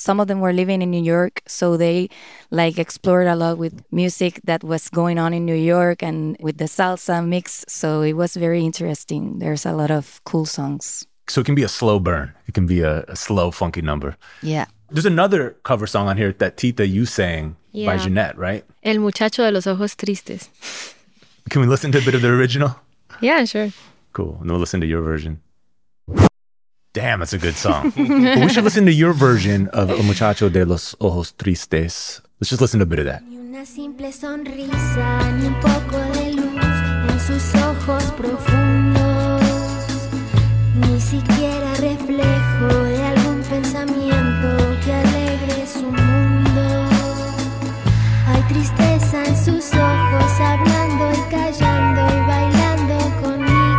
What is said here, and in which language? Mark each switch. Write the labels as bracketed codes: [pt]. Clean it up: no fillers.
[en] Some of them were living in New York, so they like explored a lot with music that was going on in New York and with the salsa mix. So it was very interesting. There's a lot of cool songs. So it can be a slow burn. It can be a slow funky number. Yeah. There's another cover song on here that Tita, you sang. Yeah. By Jeanette, right? [es] El Muchacho de los Ojos Tristes. [en] Can we listen to a bit of the original? Yeah, sure. Cool. And we'll listen to your version. Damn, that's a good song. We should listen to your version of El Muchacho de los Ojos Tristes. Let's just listen to a bit of that. [es] Ni una simple sonrisa, ni un poco de luz en sus ojos profundos. Ni siquiera reflejo de algún pensamiento que alegre su mundo. Hay tristeza en sus ojos, hablando y callando y bailando conmigo.